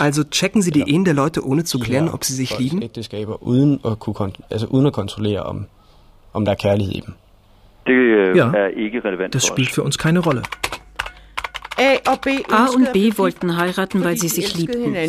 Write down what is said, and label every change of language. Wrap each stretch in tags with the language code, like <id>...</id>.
<de>Also checken Sie die Ehen der Leute ohne zu klären, ob sie sich lieben?</de> <da>Ægteskaber uden at kunne kontrollere om der er kærlighed i dem. Det er ikke relevant.</da> <de>Das spielt für uns keine Rolle. A und B, A und B wollten heiraten, weil sie sich liebten.</de>